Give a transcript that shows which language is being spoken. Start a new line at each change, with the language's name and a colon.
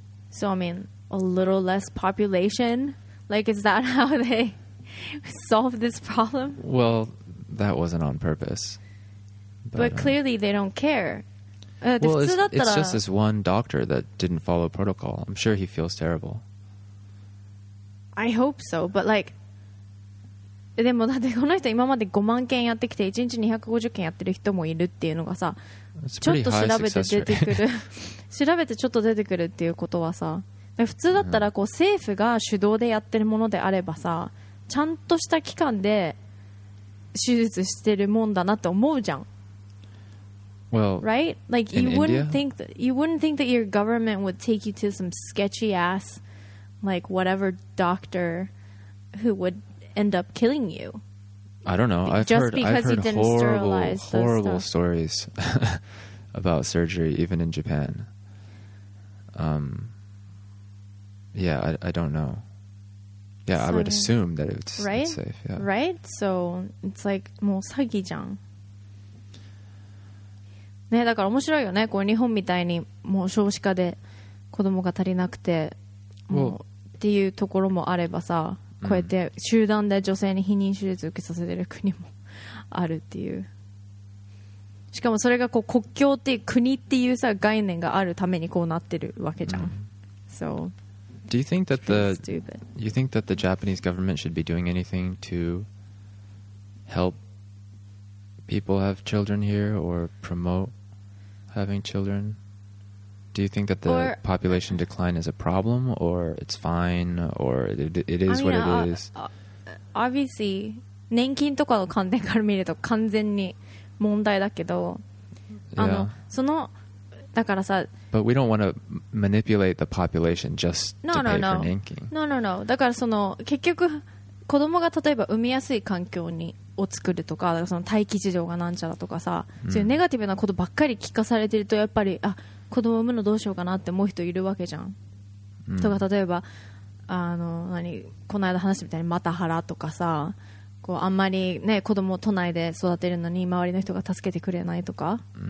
English: So, I mean, a little less population. Like, is that how they solve this problem? Well, that wasn't on purpose. But clearly they don't care. Well, it's just this one doctor that didn't follow protocol. I'm sure he feels terrible. I hope so, but like,
Japanese: でもだってこの人今まで5万件やってきて1日250件やってる人もいるっていうのがさ、ちょっと調べて出てくる調べてちょっと出てくるっていうことはさ、普通だったらこう政府が主導でやってるものであればさ、ちゃんとした期間で手術してるもんだなって思うじゃん。
English: Well, right? Like you wouldn't think that, you wouldn't think that your government would take you to some sketchy ass like whatever doctor who would end up killing you. I don't know. I've heard horrible stories about surgery, even in Japan. I don't know. Yeah, so, I would assume that it's, right? It's safe. Yeah. Right? So it's like,
Japanese: もう詐欺じゃん。ね、だから面白いよね。こう日本みたいにもう少子化で子供が足りなくて、もうっていうところもあればさ。こうやって集団で女性に避妊手術受けさせてる国もあるっていう。しかもそれがこう国境っていう国っていうさ概念があるためにこうなってるわけじゃん。
English: Mm. So, do you think that the Japanese government should be doing anything to help people have children here or promote having children? Do you think that the population decline is a problem, or it's fine, or it is what it is? Obviously,
Japanese: 年金とかの観点から見ると完全に問題だけど、あの、そのだからさ、
English: But we don't want to manipulate the population just to pay for 年金。 No.
Japanese: だからその結局子供が例えば産みやすい環境にを作るとか、だからその待機事情がなんちゃらとかさ、そういうネガティブなことばっかり聞かされてるとやっぱり子供を産むのどうしようかなって思う人いるわけじゃん、とか例えばあの何この間話したみたいにマタハラとかさ、こうあんまり、ね、子供を都内で育てるのに周りの人が助けてくれないとか、だか